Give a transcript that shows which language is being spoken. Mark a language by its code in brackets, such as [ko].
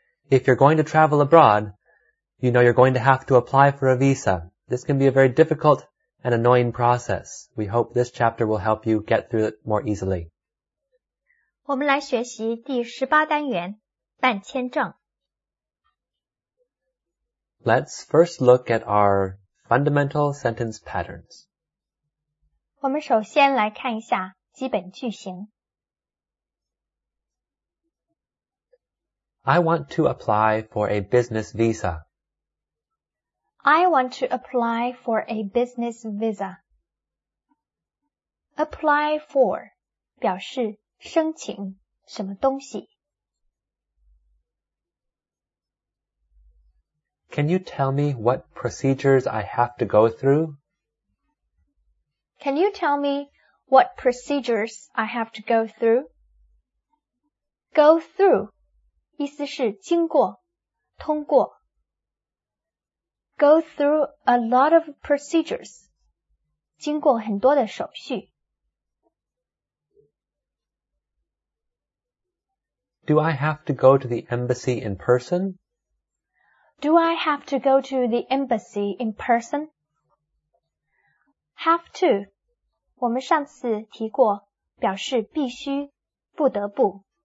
[en] If you're going to travel abroad, you know you're going to have to apply for a visa. This can be a very difficult and annoying process. We hope this chapter will help you get through it more easily. [zh] 我们来学习第18单元，办签证。 [en] Let's first look at our fundamental sentence patterns. [zh] 我们首先来看一下基本句型。 [en] I want to apply for a business visa. I want to apply for a business visa. Apply for [zh] 表示申请什么东西。 [en] Can you tell me what procedures I have to go through? Can you tell me what procedures I have to go through? [zh] Go through. 意思是经过、通过。 [en] Go through a lot of procedures. [zh] 经过很多的手续。 [en] Do I have to go to the embassy in person? Do I have to go to the embassy in person? Have to. [zh] 我们上次提过表示必须、不得不。